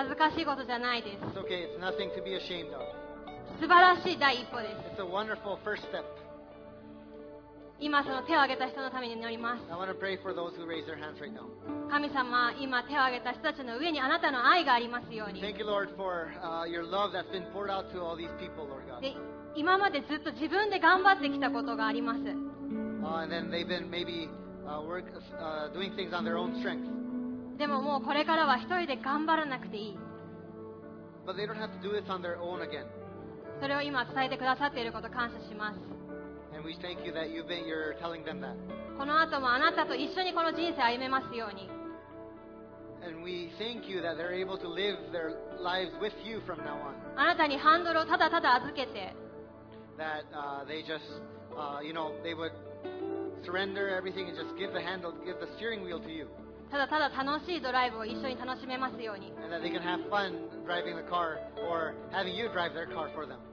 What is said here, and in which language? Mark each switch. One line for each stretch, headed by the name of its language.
Japanese: 恥ずかしいことじゃないです。
English: It's okay. It's nothing to be ashamed of.
Japanese: 素晴らしい第一歩です。
English: It's a wonderful first step.
Japanese: 今その手を挙げた人のために祈ります。
English: I want to pray for those who raise their hands right now.
Japanese: 神様、今手を挙げた人たちの上にあなたの愛がありますように。
English: Thank you, Lord, for your love that's been poured out to all these people, Lord God.
Japanese: で、今までずっと自分で頑張ってきたことがあります。
English: And then they've been maybe doing things on their own strength.
Japanese: でももうこれからは一人で頑張らなくていい。
English: But they don't have to do this on their own again.
Japanese: それを今伝えてくださっていることを感謝します。
English: And we thank you that you're telling them that.
Japanese: この後もあなたと一緒にこの人生を歩めますように。
English: And we thank you that they're able to live their lives with you from now on.
Japanese: あなたにハンドルをただただ預けて。
English: That they just, you know, they would surrender everything and just give the handle, give the steering wheel to you.
Japanese: ただただ楽しいドライブを一緒に楽しめますように。
English: And that they can have fun driving the car or having you drive their car for them.